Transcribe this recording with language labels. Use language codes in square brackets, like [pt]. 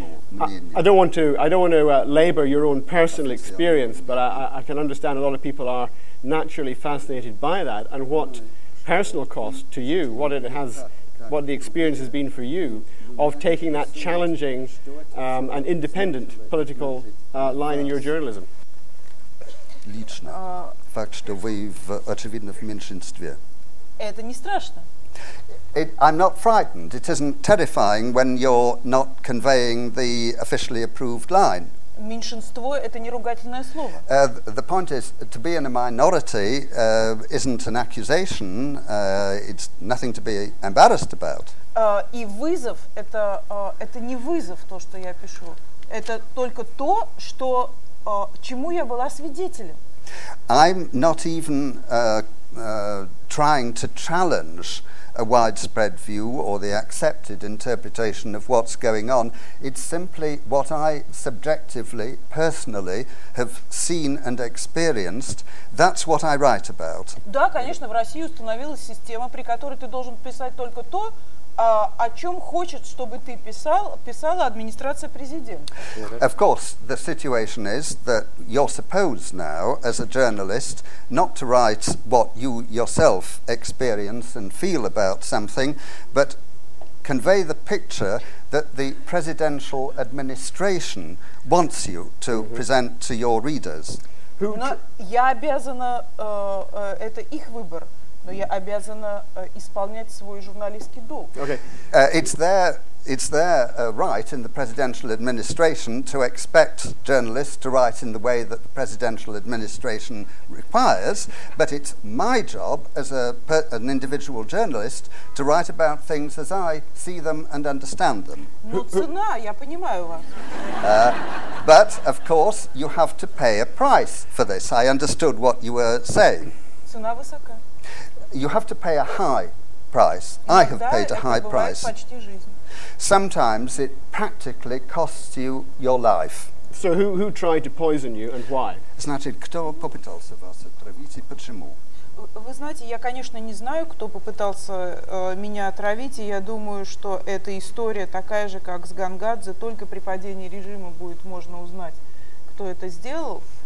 [en] Now, I don't want to labour your own personal experience, but I can understand a lot of people are naturally fascinated by that, and what personal cost to you, what the experience has been for you of taking that challenging and independent political line in your journalism. [ru] Лично. Факт, что вы очевидно в меньшинстве. Это не страшно. [en] I'm not frightened. It isn't terrifying when you're not conveying the officially approved line. [ru] Меньшинство – это не ругательное слово. [en] The point is, to be in a minority isn't an accusation. It's nothing to be embarrassed about. [ru] И вызов – это не вызов, то, что я пишу. Это только то, что чему я была свидетелем. [en] I'm not even trying to challenge a widespread view or the accepted interpretation of what's going on. It's simply what I subjectively, personally, have seen and experienced. That's what I write about. [ru] Да, конечно, в России установилась система, при которой ты должен писать только то, о чем хочет, чтобы ты писала администрация президента. [en] Of course, the situation is that you're supposed now, as a journalist, not to write what you yourself experience and feel about something, but convey the picture that the presidential administration wants you to present to your readers. [ru] Но я обязана, это их выбор. Но я обязана исполнять свой журналистский долг. [en] Okay. It's their right in the presidential administration to expect journalists to write in the way that the presidential administration requires, but it's my job as an individual journalist to write about things as I see them and understand them. [ru] Ну цена, я понимаю вас. [en] But of course you have to pay a price for this. I understood what you were saying. [ru] Цена высока. [en] You have to pay a high price. I have paid a high price. Sometimes it practically costs you your life. So who tried to poison you and why? [ru] Значит, кто попытался вас отравить и почему? Вы знаете, я, конечно, не знаю, кто попытался меня отравить, и я думаю, что эта история такая же, как с Гангадзе, только при падении режима будет можно узнать, кто это сделал.